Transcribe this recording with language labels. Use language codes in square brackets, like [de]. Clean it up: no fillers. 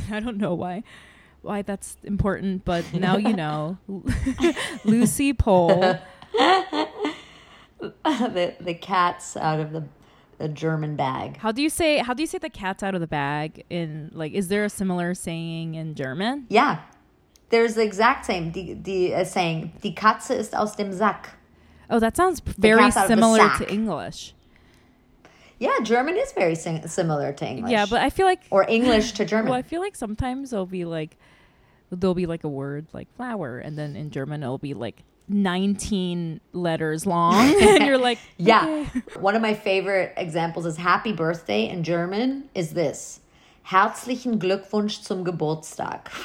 [en] I don't know why that's important, but now you know. Lucie Pohl. The cat's out of the German bag. How do you say the cat's out of the bag in, like, is there a similar saying in German? Yeah. There's the exact same saying, [de] die Katze ist aus dem Sack. [en] Oh, that sounds very similar to English. Yeah, German is very similar to English. Yeah, but I feel like... Or English to German. Well, I feel like sometimes there'll be a word like flower, and then in German it'll be like 19 letters long, and you're like... Okay. Yeah, one of my favorite examples is happy birthday in German is this. [de] Herzlichen Glückwunsch zum Geburtstag.